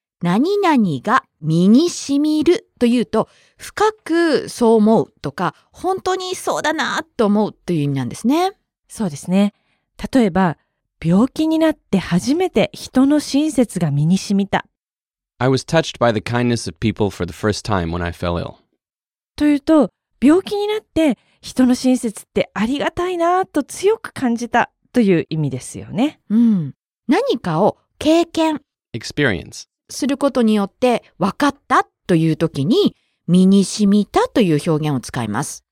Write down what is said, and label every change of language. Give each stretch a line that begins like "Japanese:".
Japanese: 何々が身に染みるというと、深くそう思うとか、本当にそうだなと思うという意味なんですね。そうですね。例えば、病気になって初めて人の親切が身に染みた。
English: I was touched by the kindness of people for the first time when I fell ill.
Japanese: というと、病気になって、人の親切ってありがたいなぁと強く感じたという意味ですよね。うん。何かを経験。
English: experience。
Japanese: することによって分かったという時に身に染みたという表現を使います。